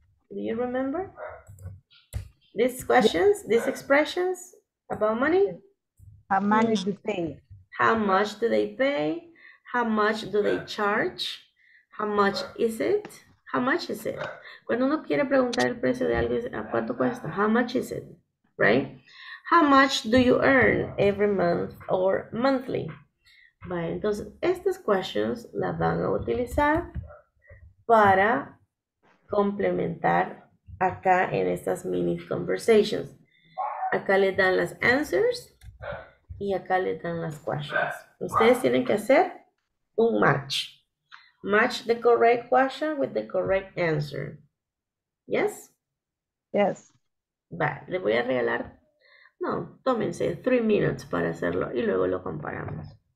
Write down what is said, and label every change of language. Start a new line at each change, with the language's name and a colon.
English: Do you remember? These questions, these expressions about money? How much do they pay? How much do they pay? How much do they charge? How much is it? How much is it?
Spanish: Cuando uno quiere preguntar el precio de algo, ¿a cuánto cuesta?
English: How much is it? Right? How much do you earn every month or monthly?
Spanish: Vale, entonces, estas questions las van a utilizar para complementar acá en estas
English: mini conversations.
Spanish: acá les dan las
English: answers
Spanish: y acá les dan las questions. Ustedes tienen que hacer un match.
English: Match the correct question with the correct answer. Yes? Yes.
Spanish: Va, le voy a regalar. No, tómense
English: 3 minutes
Spanish: para hacerlo y luego lo comparamos.